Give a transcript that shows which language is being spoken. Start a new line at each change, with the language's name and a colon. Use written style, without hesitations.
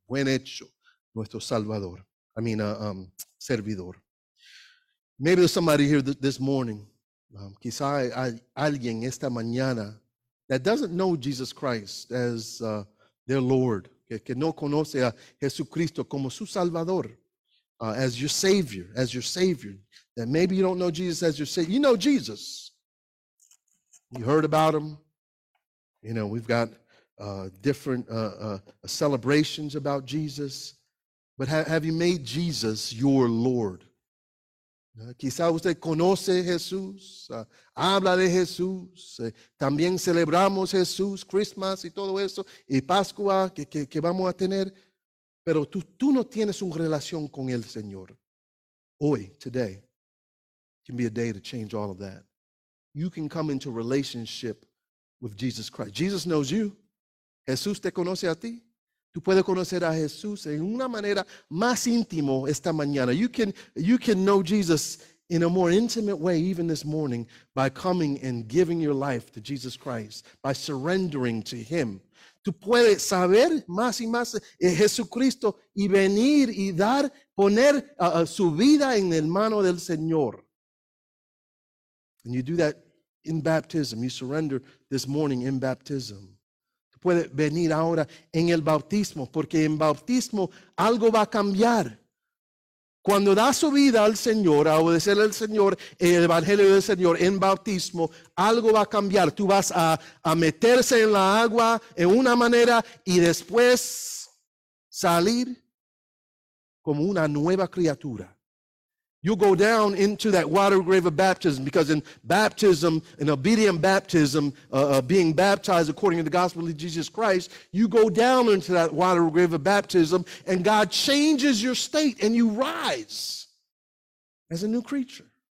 Spanish: Buen hecho, nuestro Salvador. Servidor.
English: Maybe there's somebody here this morning.
Spanish: Quizá hay alguien esta mañana
English: that doesn't know Jesus Christ as their Lord.
Spanish: Que no conoce a Jesucristo como su Salvador.
English: As your Savior. That maybe you don't know Jesus as your Savior. You know Jesus. You heard about him. You know, we've got different celebrations about Jesus. But have you made Jesus your Lord?
Spanish: Quizá usted conoce Jesús, habla de Jesús. También celebramos Jesús, Christmas y todo eso, y Pascua que vamos a tener. Pero tú no tienes una relación con el Señor. Hoy,
English: today, can be a day to change all of that. You can come into relationship with Jesus Christ. Jesus knows you.
Spanish: Jesús te conoce a ti. Tú puedes conocer a Jesús en una manera más íntimo esta mañana.
English: You can know Jesus in a more intimate way even this morning by coming and giving your life to Jesus Christ, by surrendering to him.
Spanish: Tú puedes saber más y más de Jesucristo y venir y dar, poner su vida en el mano del Señor.
English: And you do that in baptism. You surrender this morning in baptism.
Spanish: Tú puedes venir ahora en el bautismo, porque en bautismo algo va a cambiar. Cuando da su vida al Señor, a obedecer al Señor, el Evangelio del Señor, en bautismo, algo va a cambiar. Tú vas a meterse en la agua en una manera y después salir como una nueva criatura.
English: You go down into that water grave of baptism, because in baptism, in obedient baptism, being baptized according to the gospel of Jesus Christ, you go down into that water grave of baptism and God changes your state and you rise as a new creature.